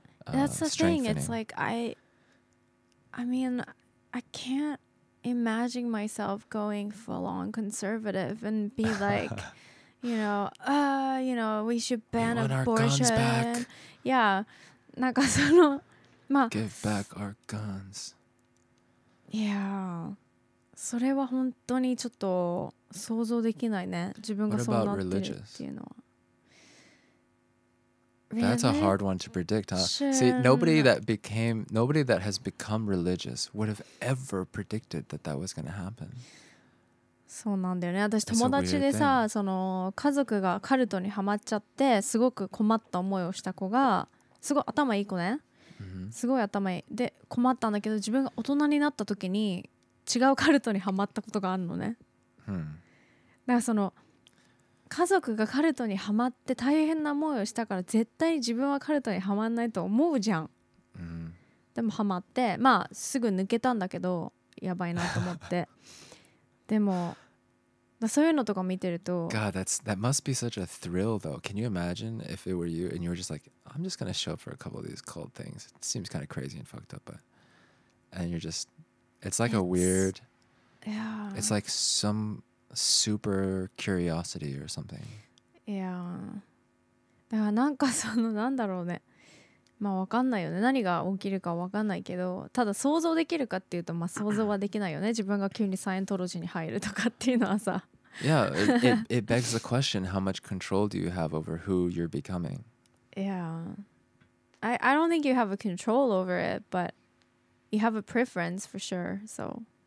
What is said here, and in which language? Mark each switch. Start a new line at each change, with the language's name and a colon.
English: that's the thing it's like I mean I can'timagine myself going full on conservative and be like we should ban abortion yeah
Japanese: なんかそのまあ
English: give back our guns
Japanese: yeah それは本当にちょっと想像できないね自分がそうなってるっていうのは
English: That's a hard one to predict, huh? See, nobody that has become religious would have ever predicted that that was going to happen.
Japanese: そうなんだよね。私友達でさ、その家族がカルトにはまっちゃってすごく困った思いをした子が、すごい頭いい子ね。すごい頭いい。で困ったんだけど、自分が大人になった時に違うカルトにはまったことがあるのね。だからその家族がカルトにはまって大変な思いをしたから絶対自分はカルトにはまんないと思うじゃん、でもはまってまあすぐ抜けたんだけどやばいなと思ってでもそういうのとか見てると
English: God, that must be such a thrill though. Can you imagine if it were you and you were just like I'm just gonna show up for a couple of these cult things. It seems kind of crazy and fucked up but and you're just it's like a weird Yeah. It's like some super curiosity or something. Yeah.
Japanese: だからなんかそのなんだろうね、まあわかんないよね、何が起きるかわかんないけど、ただ想像できるかっていうと、まあ想像はできないよね、自分が急にサイエントロジーに入るとかっていうのはさ。
English: Yeah, it begs the question, how much control do you have over who you're becoming? Yeah, I don't think you have a control over it, but you have a preference for sure, so.